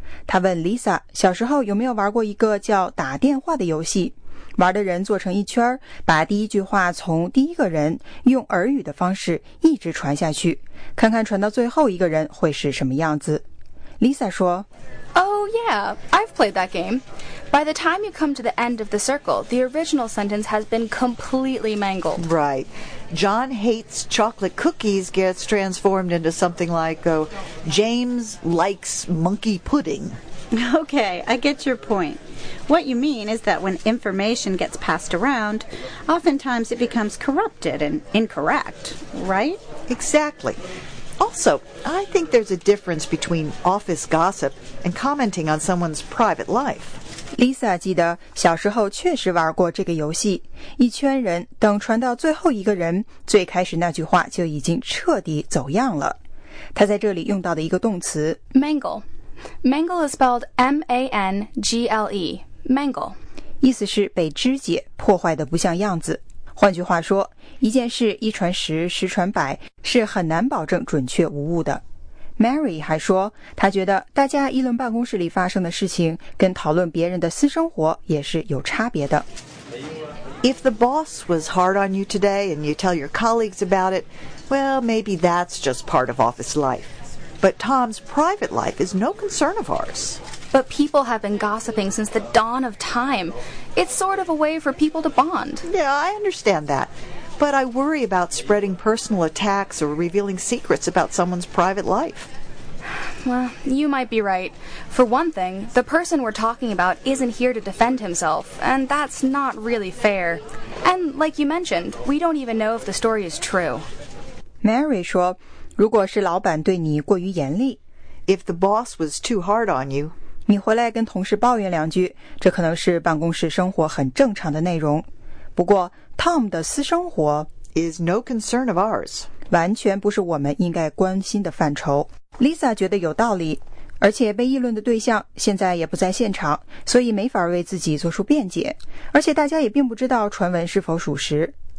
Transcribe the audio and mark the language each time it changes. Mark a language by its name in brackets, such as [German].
[Chinese] 她问 Lisa 小时候有没有玩过一个叫打电话的游戏，玩的人坐成一圈，把第一句话从第一个人用耳语的方式一直传下去，看看传到最后一个人会是什么样子。 Lisa 说 [English] Oh yeah, I've played that game. By the time you come to the end of the circle, the original sentence has been completely mangled. Right. John hates chocolate cookies gets transformed into something like, James likes monkey pudding. Okay, I get your point. What you mean is that when information gets passed around, oftentimes it becomes corrupted and incorrect, right? Exactly. Also, I think there's a difference between office gossip and commenting on someone's private life. [Chinese] Lisa 记得小时候确实玩过这个游戏，一圈人等传到最后一个人，最开始那句话就已经彻底走样了。她在这里用到的一个动词 [English] Mangle. Mangle is spelled M-A-N-G-L-E, mangle. [Chinese] 意思是被肢解，破坏得不像样子。换句话说，一件事一传十，十传百，是很难保证准确无误的。 Mary 还说，她觉得大家议论办公室里发生的事情，跟讨论别人的私生活也是有差别的。 [English] If the boss was hard on you today and you tell your colleagues about it, well, maybe that's just part of office life. But Tom's private life is no concern of ours. But people have been gossiping since the dawn of time. It's sort of a way for people to bond. Yeah, I understand that. But I worry about spreading personal attacks or revealing secrets about someone's private life. Well, you might be right. For one thing, the person we're talking about isn't here to defend himself, and that's not really fair. And like you mentioned, we don't even know if the story is true. [Chinese] Mary 说，如果是老板对你过于严厉， [English] If the boss was too hard on you, [Chinese] 你回来跟同事抱怨两句，这可能是办公室生活很正常的内容。不过 Tom 的私生活 [English] is no concern of ours, [Chinese] 完全不是我们应该关心的范畴。Lisa 觉得有道理，而且被议论的对象现在也不在现场，所以没法为自己做出辩解，而且大家也并不知道传闻是否属实。